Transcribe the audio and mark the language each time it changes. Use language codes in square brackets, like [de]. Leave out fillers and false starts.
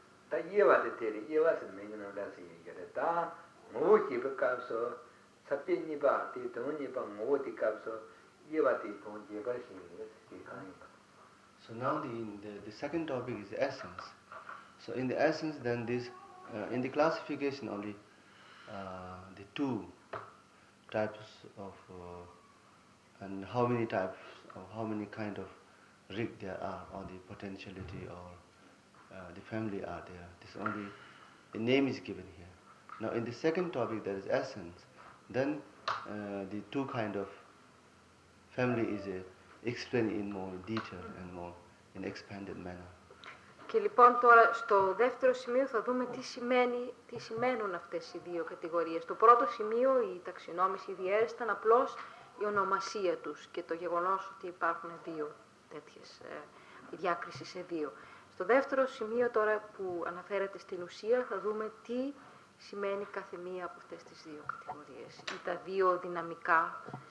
[en] Τα γεύατε τέρι, γεύασε με την ολάζη γεύατε. Τα μου είπε κάψω, θα πει νιπά, τι τον είπα, μου είπε κάψω, γεύατε τον γεύασε με την ολάζη. So now the second topic is the essence. So in the essence, then this in the classification only the two types of and how many types or how many kind of rig there are or the potentiality or the family are there. This only the name is given here. Now in the second topic, that is essence. Then the two kind of family is a. Explain in more detail and more in expanded manner. [el] Και λοιπόν τώρα στο δεύτερο σημείο θα δούμε τι σημαίνουν αυτές οι δύο κατηγορίες. Το πρώτο σημείο, η ταξινόμηση, η διαίρεση, ήταν απλώς η ονομασία τους και το γεγονός ότι υπάρχουν δύο τέτοιες, η διάκριση σε δύο. Στο δεύτερο σημείο τώρα που αναφέρεται στην ουσία θα δούμε τι σημαίνει κάθε μία από αυτές τις δύο κατηγορίες ή τα δύο δυναμικά,